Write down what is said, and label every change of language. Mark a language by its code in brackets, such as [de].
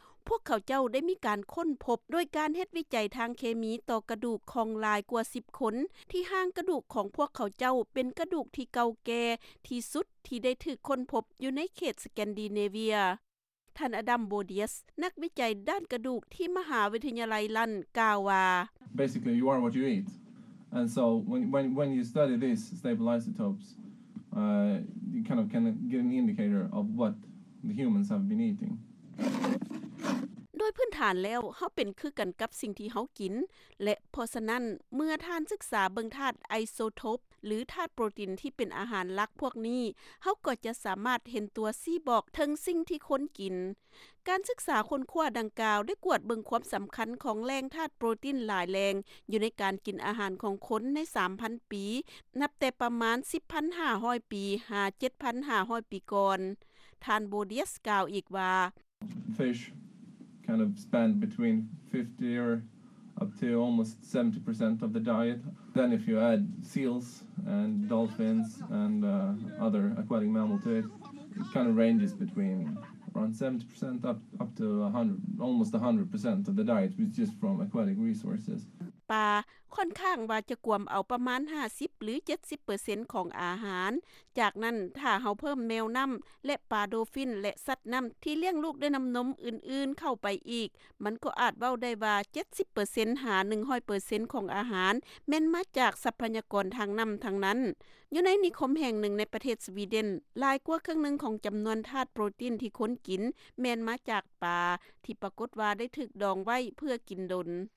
[tts] พวกเขาเจ้าได้มีการค้นพบโดยการเฮ็ดวิจัยทางเคมีต่อกระดูกของลายกว่า10คนที่ห้างกระดูกของพวกเขาเจ้าเป็นกระดูกที่เก่าแก่ที่สุดที่ได้ถูกค้นพบอยู่ในเขตสแกนดิเนเวียท่านอดัมโบเดียสนักวิจัยด้านกระดูกที่มหาวิทยาลัยลันกล่าวว่า [en] Basically you are what you eat. And so when you study this stable isotopes you kind of can get an indicator of what the humans have been eating. [tts] ดยพื้นฐานแล้วเฮาเป็นคือกันกับสิ่งที่เฮากินและเพราะฉะนั้นเมื่อท่านศึกษาเบิ่งธาตุไอโซโทปหรือธาตุโปรตีนที่เป็นอาหารหลักพวกนี้เฮาก็จะสามารถเห็นตัวซี่บอกถึงสิ่งที่คนกินการศึกษาค้นคว้าดังกล่าวได้กวดเบิ่งความสำคัญของแหล่งธาตุโปรตีนหลายแหล่งอยู่ในการกินอาหารของคนใน 3,000 ปีนับแต่ประมาณ 10,500 ปีหา 7,500 ปีก่อนท่านโบเดียสกล่าวอีกว่า [en] Fish kind of span between 50 or up to almost 70% of the diet. Then if you add seals and dolphins and other aquatic mammals to it, it kind of ranges between around 70% up to 100, almost 100% of the diet was just from aquatic resources. [tts] ปลาค่อนข้างว่าจะกวมเอาประมาณ 50 หรือ 70% ของอาหารจากนั้นถ้าเฮาเพิ่มแมวน้ำและปลาโดฟินและสัตว์น้ำที่เลี้ยงลูกด้วยน้ำนมอื่นๆเข้าไปอีกมันก็อาจเว้าได้ว่า 70% หา 100% ของอาหารแม้นมาจากทรัพยากรทางน้ำทั้งนั้นอยู่ในนิคมแห่งหนึ่งในประเทศสวีเดนลายกว่าครึ่งหนึ่งของจำนวนธาตุโปรตีนที่คนกินแม้นมาจากปลาที่ปรากฏว่าได้ถูกดองไว้เพื่อกินดน